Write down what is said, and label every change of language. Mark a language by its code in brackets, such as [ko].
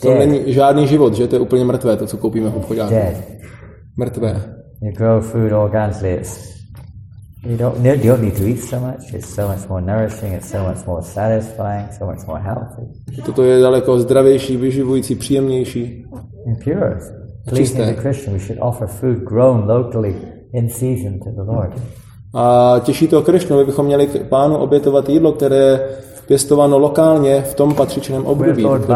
[cs] To není žádný život, že to je úplně mrtvé, to, co koupíme v obchodě. [en] Dead. [cs] Mrtvé. [en] You grow food organically. You don't need to eat so much. It's so much more nourishing. It's so much more satisfying. So much more healthy. [cs] Toto je daleko zdravější, vyživující, příjemnější. [en] And pure. Pleasing to Krishna, we should offer food grown locally in season to the Lord. [cs] A těší to Krishnu, my bychom měli pánu obětovat jídlo, které je pěstováno lokálně v tom patřičném období.